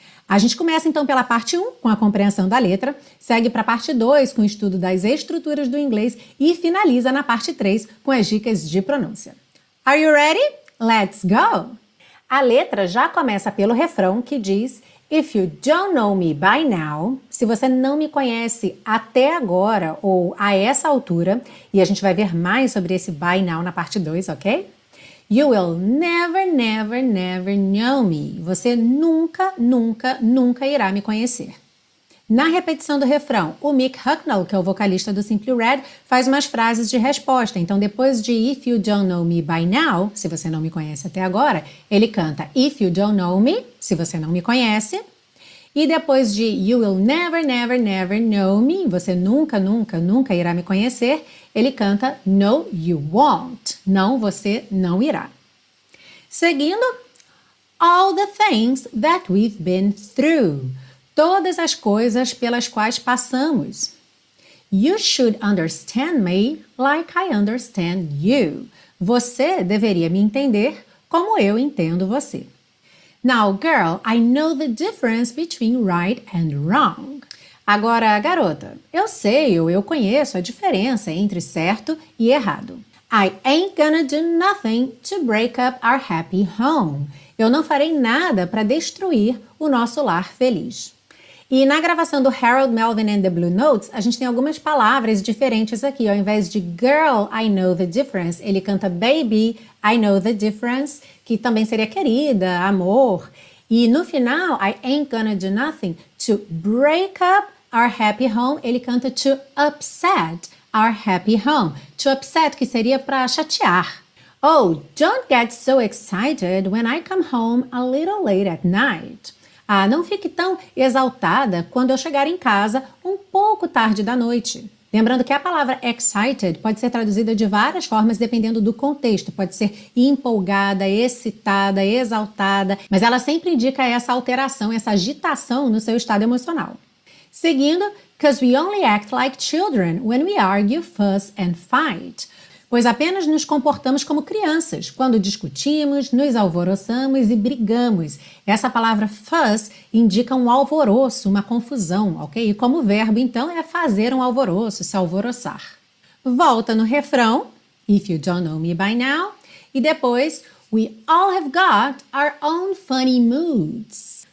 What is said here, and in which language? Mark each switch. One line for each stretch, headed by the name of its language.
Portuguese: A gente começa então pela parte 1, com a compreensão da letra, segue para a parte 2, com o estudo das estruturas do inglês e finaliza na parte 3, com as dicas de pronúncia.
English: Are you ready? Let's go!
Portuguese: A letra já começa pelo refrão que diz
English: If you don't know me by now,
Portuguese: se você não me conhece até agora ou a essa altura, e a gente vai ver mais sobre esse by now na parte 2, ok?
English: You will never, never, never know me.
Portuguese: Você nunca, nunca, nunca irá me conhecer. Na repetição do refrão, o Mick Hucknall, que é o vocalista do Simply Red, faz umas frases de resposta. Então, depois de
English: If you don't know me by now,
Portuguese: se você não me conhece até agora, ele canta
English: If you don't know me,
Portuguese: se você não me conhece. E depois de
English: You will never, never, never know me,
Portuguese: você nunca, nunca, nunca irá me conhecer, ele canta
English: No, you won't.
Portuguese: Não, você não irá. Seguindo,
English: All the things that we've been through.
Portuguese: Todas as coisas pelas quais passamos.
English: You should understand me like I understand you.
Portuguese: Você deveria me entender como eu entendo você.
English: Now, girl, I know the difference between right and wrong.
Portuguese: Agora, garota, eu sei ou eu conheço a diferença entre certo e errado.
English: I ain't gonna do nothing to break up our happy home.
Portuguese: Eu não farei nada para destruir o nosso lar feliz. E na gravação do Harold Melvin and the Blue Notes, a gente tem algumas palavras diferentes aqui. Ao invés de
English: girl, I know the difference,
Portuguese: ele canta
English: baby, I know the difference,
Portuguese: que também seria querida, amor. E no final,
English: I ain't gonna do nothing to break up our happy home,
Portuguese: ele canta
English: to upset our happy home. To upset,
Portuguese: que seria para chatear.
English: Oh, don't get so excited when I come home a little late at night.
Portuguese: Ah, não fique tão exaltada quando eu chegar em casa um pouco tarde da noite. Lembrando que a palavra excited pode ser traduzida de várias formas dependendo do contexto. Pode ser empolgada, excitada, exaltada, mas ela sempre indica essa alteração, essa agitação no seu estado emocional. Seguindo,
English: 'cause we only act like children when we argue, fuss and fight.
Portuguese: Pois apenas nos comportamos como crianças, quando discutimos, nos alvoroçamos e brigamos. Essa palavra fuss indica um alvoroço, uma confusão, ok? E como verbo, então, é fazer um alvoroço, se alvoroçar. Volta no refrão,
English: if you don't know me by now,
Portuguese: e depois,
English: we all have got our own funny moods.